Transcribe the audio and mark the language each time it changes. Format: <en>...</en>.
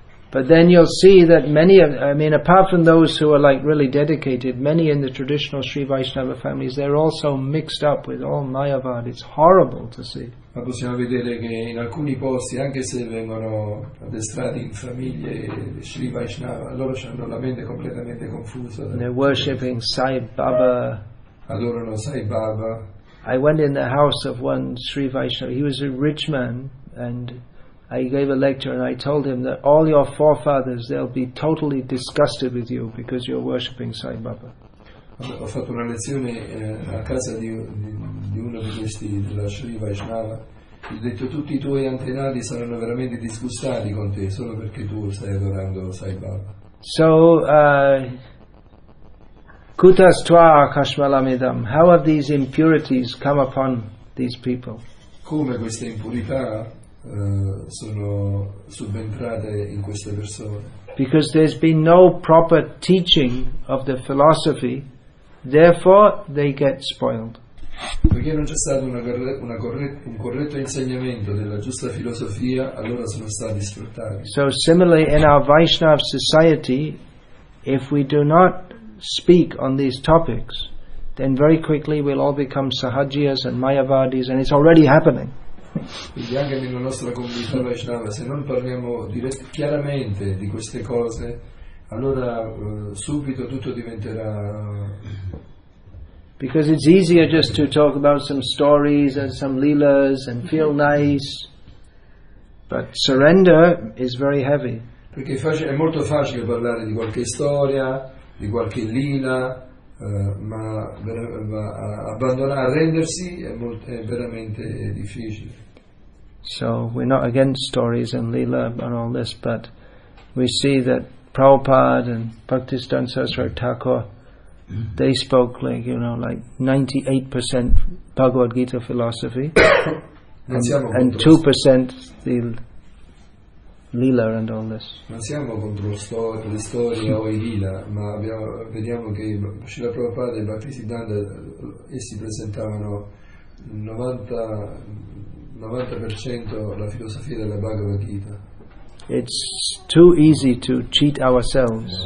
<en>But then you'll see that apart from those who are like really dedicated, many in the traditional Sri Vaishnava families, they're also mixed up with all Mayavad. It's horrible to see.</en> <it>Ma possiamo vedere che in alcuni posti, anche se vengono addestrati in famiglie Sri Vaishnava, loro hanno la mente completamente confusa.</it> <en>They're worshipping Sai Baba.</en> <it>Adorano Sai Baba.</it> <en>I went in the house of one Sri Vaishnava. He was a rich man and I gave a lecture and I told him that all your forefathers, they'll be totally disgusted with you because you're worshipping Sai Baba.</en> <it>Ho fatto una lezione a casa di uno di questi della Sri Vaishnava ho detto tutti i tuoi antenati saranno veramente disgustati con te solo perché tu stai adorando Sai Baba.</it> <en>So</en> <sa>kutas tva kashmalamidam,</sa> <en>how have these impurities come upon these people?</en> <it>Come queste impurità sono subentrate in queste persone?</it> <en>Because there's been no proper teaching of the philosophy, therefore they get spoiled.</en> <it>Perché non c'è stato un corretto insegnamento della giusta filosofia, allora sono stati sfruttati.</it> <en>So similarly in our Vaishnav society, if we do not speak on these topics, then very quickly we'll all become Sahajiyas and Mayavadis, and it's already happening.</en> <it>Quindi anche nella nostra comunità Vaishnava, se non parliamo chiaramente di queste cose, allora subito tutto diventerà.</it> <en>Because it's easier just to talk about some stories and some leelas and feel nice, but surrender is very heavy.</en> <it>Perché è molto facile parlare di qualche storia, di qualche lila, ma abbandonare, rendersi è veramente difficile.</it> <en>So we're not against stories and lila and all this, but we see that Prabhupada and Bhaktisiddhanta Saraswati Thakur, they spoke like, you know, like 98% Bhagavad Gita philosophy and 2% the lila and all this.</en> <it>Non siamo contro le storie o i lila, ma vediamo che Srila Prabhupada e Bhaktisiddhanta essi presentavano 90% la filosofia della Bhagavad Gita.</it> <en>It's too easy to cheat ourselves.</en>